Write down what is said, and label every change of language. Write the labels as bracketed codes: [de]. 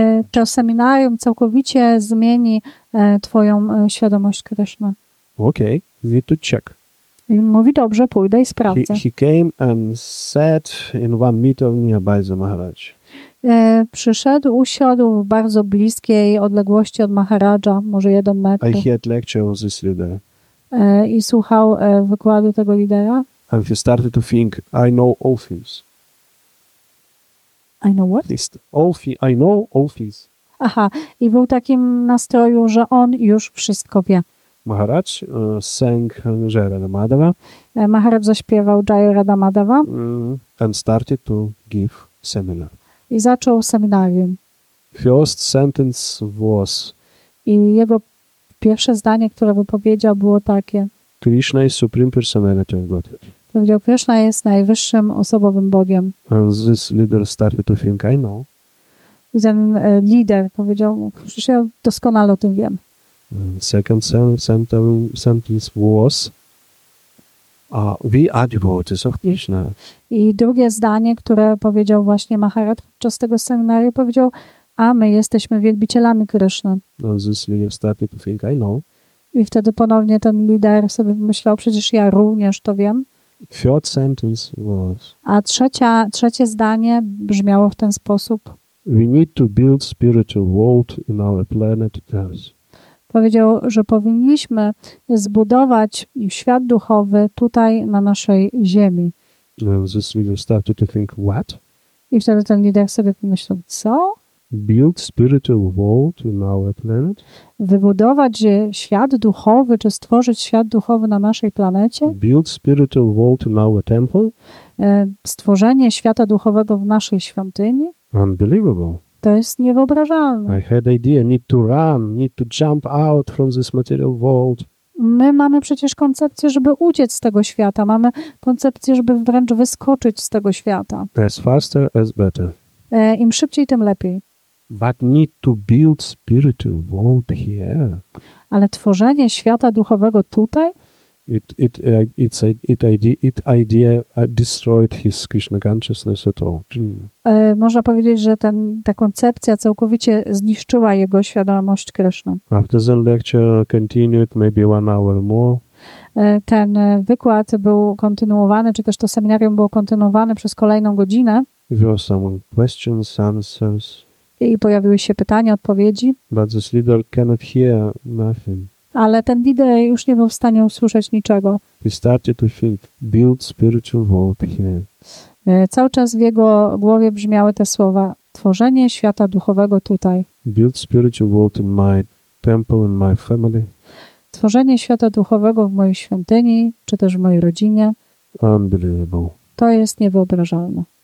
[pl] To seminarium całkowicie zmieni twoją świadomość Krishna. [en] Okay, need to check. [pl] I mówi, dobrze, pójdę i sprawdzę. [en] He came and sat in one meter nearby the Maharaj. [pl] Przyszedł, usiadł w bardzo bliskiej odległości od Maharaja, może 1 metr. [en] I heard lecture of this leader. [pl] I słuchał wykładu tego lidera. [en] And he started to think, I know all things. I know what? I know all things. [pl] Aha, i był takim nastroju, że on już wszystko wie. [en] Maharaj sang Jayarada Madhava. [pl] Maharaj zaśpiewał Jayarada Madhava. [en] And started to give seminar. [pl] I zaczął seminarium. [en] First sentence was. [pl] I jego pierwsze zdanie, które wypowiedział, było takie. [en] Krishna is supreme personality of Godhead. [pl] Powiedział, Krishna jest najwyższym osobowym Bogiem. [en] And this leader started to think, I know. [pl] I ten lider powiedział, przecież ja doskonale o tym wiem. [en] Second sentence was. A vy adivote, so Krishna. [pl] I drugie zdanie, które powiedział właśnie Maharaj podczas tego seminarium, powiedział, a my jesteśmy wielbicielami Krishna. [en] No, this leader started to think, I know. [pl] I wtedy ponownie ten lider sobie myślał, przecież ja również to wiem. [en] Third sentence was, [pl] a trzecie zdanie brzmiało w ten sposób. [en] We need to build spiritual world in our planet Earth. [pl] Powiedział, że powinniśmy zbudować świat duchowy tutaj na naszej ziemi. [en] This leader started to think, what? [pl] I wtedy ten lider sobie pomyślał, co? [en] Build spiritual world in our planet? [pl] Wybudować świat duchowy, czy stworzyć świat duchowy na naszej planecie? [en] Build spiritual world in our temple? [pl] Stworzenie świata duchowego w naszej świątyni? [en] Unbelievable. [pl] To jest niewyobrażalne. [en] I had idea, need to run, need to jump out from this material world. [pl] My mamy przecież koncepcję, żeby uciec z tego świata. Mamy koncepcję, żeby wręcz wyskoczyć z tego świata. [en] As faster, as better. [pl] Im szybciej, tym lepiej. [en] But need to build spiritual world here. [pl] Ale tworzenie świata duchowego tutaj? [en] It idea destroyed his Krishna consciousness at all. [pl] Można powiedzieć, że ta koncepcja całkowicie zniszczyła jego świadomość Krishna. [en] After the lecture continued, maybe 1 hour more. [pl] Ten wykład był kontynuowany, czy też to seminarium było kontynuowane przez kolejną godzinę. [en] There were some questions, answers. [pl] I pojawiły się pytania, odpowiedzi. [en] But this leader cannot hear nothing. [pl] Ale ten lider już nie był w stanie usłyszeć niczego. [en] He started to think, build spiritual world here. [pl] Cały czas w jego głowie brzmiały te słowa, tworzenie świata duchowego tutaj. [en] Build spiritual world in my temple, in my family. [pl] Tworzenie świata duchowego w mojej świątyni, czy też w mojej rodzinie. [en] Unbelievable. [pl] To jest niewyobrażalne.